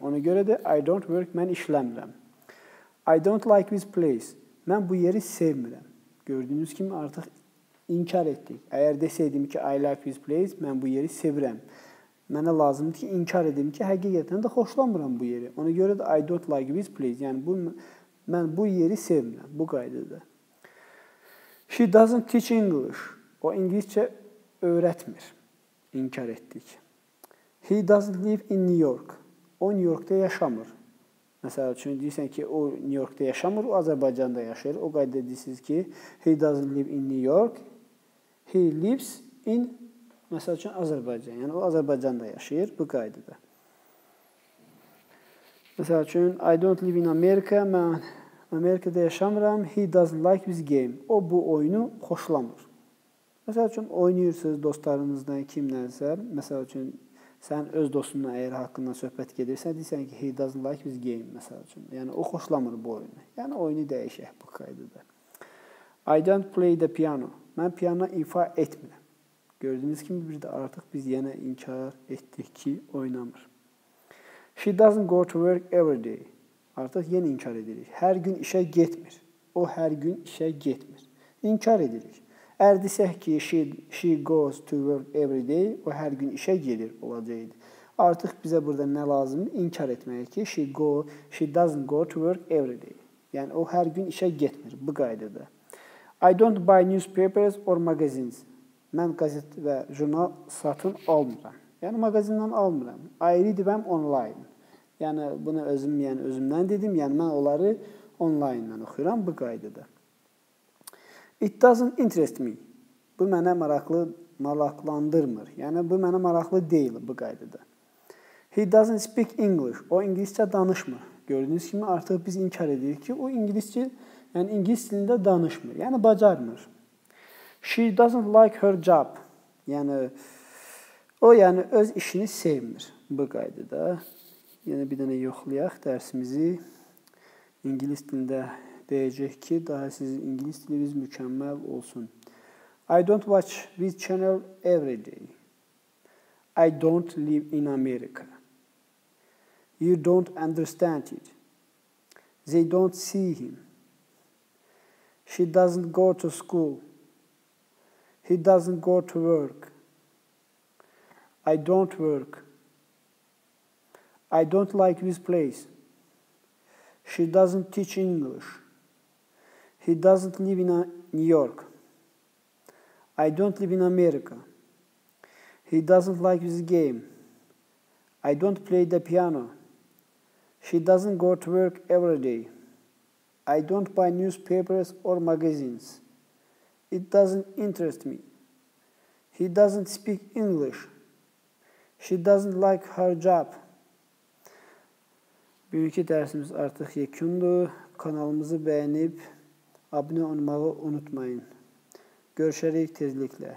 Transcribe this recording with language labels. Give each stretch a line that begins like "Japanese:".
Azerbaijani: Ona görə də
English: I don't work,
Azerbaijani: mən işləmirəm.
English: I don't like this place,
Azerbaijani: mən bu yeri sevmirəm. Gördüyünüz kimi artıq inkar etdik. Əgər desəydim ki,
English: I like this place,
Azerbaijani: mən bu yeri sevirəm. Mənə lazımdır ki, inkar edim ki, həqiqətən də xoşlamıram bu yeri. Ona görə də
English: I don't like this place.
Azerbaijani: Yəni, mən bu yeri sevmirəm, bu qaydada.
English: She doesn't teach English.
Azerbaijani: O, ingiliscə öyrətmir. İnkar etdik.
English: He doesn't live in New York.
Azerbaijani: O, New Yorkda yaşamır. Məsələn, üçün deyirsən ki, o New Yorkda yaşamır, o Azərbaycanda yaşayır. O qaydada deyirsiniz ki,
English: he doesn't live in New York. He lives in
Azerbaijani: Məsəl üçün,
English: Azərbaycan.
Azerbaijani: Yəni, o Azərbaycanda yaşayır bu qaydada. Məsəl üçün,
English: I don't live in America.
Azerbaijani: Mən Amerikada yaşamıram.
English: He doesn't like this game.
Azerbaijani: O, bu oyunu xoşlamır. Məsəl üçün, oynayırsınız dostlarınızdan kimlərsə. Məsəl üçün, sən öz dostunla əgər haqqından söhbət gedirsə, deyirsən ki,
English: he doesn't like this game,
Azerbaijani: məsəl üçün. Yəni, o xoşlamır bu oyunu. Yəni, oyunu dəyişək bu qaydada.
English: I don't play the piano.
Azerbaijani: Mən piano ifa etmirəm. Gördüyünüz kimi bir də artıq biz yenə inkar etdik ki, oynamır.
English: She doesn't go to work every day.
Azerbaijani: Artıq yenə inkar edirik. Hər gün işə getmir. O, hər gün işə getmir. İnkar edirik. Əgər desək ki,
English: she goes to work every day,
Azerbaijani: o, hər gün işə gelir olacaqdı. Artıq bizə burada nə lazım? İnkar etməyə ki,
English: she doesn't go to work every day.
Azerbaijani: Yəni, o, hər gün işə getmir bu qaydada.
English: I don't buy newspapers or magazines.
Azerbaijani: Mən qazet və jurnal satın almıram. Yəni, mağazından almıram.
English: I read them online.
Azerbaijani: Yəni, bunu özümdən dedim. Yəni, mən onları online-dan oxuyuram bu qaydada.
English: It doesn't interest me.
Azerbaijani: Bu, mənə maraqlandırmır. Yəni, bu, mənə maraqlı deyil bu qaydada.
English: He doesn't speak English.
Azerbaijani: O, ingiliscə danışmır. Gördüyünüz kimi, artıq biz inkar edirik ki, o, ingiliscə, yəni, ingilis dilində danışmır. Yəni, bacarmır.
English: She doesn't like her job.
Azerbaijani: Yəni, o, yəni, öz işini sevmir bu qaydada. Yəni, bir dənə yoxlayaq dərsimizi. İngilis dilində deyəcək ki, daha siz İngilis diliniz mükəmməl olsun.
English: I don't watch this channel every day. I don't live in America. You don't understand it. They don't see him. She doesn't go to school. He doesn't go to work. I don't work. I don't like this place. She doesn't teach English. He doesn't live in New York. I don't live in America. He doesn't like this game. I don't play the piano. She doesn't go to work every day. I don't buy newspapers or magazines. It doesn't interest me. He doesn't speak English. She doesn't like her job.
Azerbaijani: Bugünkü dersimiz artık yekundu. Kanalımızı beğenip abone olmayı unutmayın. Görüşürüz tezlikle.